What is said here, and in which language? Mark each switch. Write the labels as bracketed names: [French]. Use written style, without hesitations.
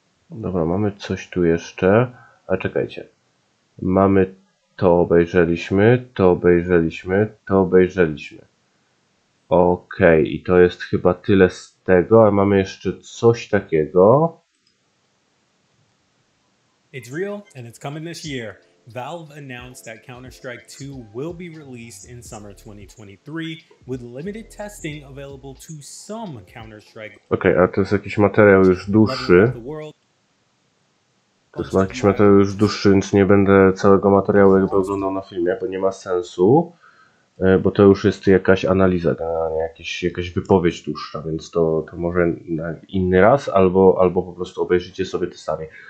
[Polish] Dobra, mamy coś tu jeszcze, ale czekajcie. Mamy to obejrzeliśmy, to obejrzeliśmy, to obejrzeliśmy. Okej, okay. I to jest chyba tyle z tego, a mamy jeszcze coś takiego. [English] It's real and it's coming this year. Valve announced that Counter-Strike 2 will be released in summer 2023 with limited testing available to some Counter-Strike. [Polish] Okej, okay, a to jest jakiś materiał już dłuższy. To jest jakiś materiał już dłuższy, więc nie będę całego materiału jakby oglądał na filmie, bo nie ma sensu. Bo to już jest jakaś analiza, jakaś wypowiedź dłuższa, więc to może na inny raz, albo po prostu obejrzycie sobie te same.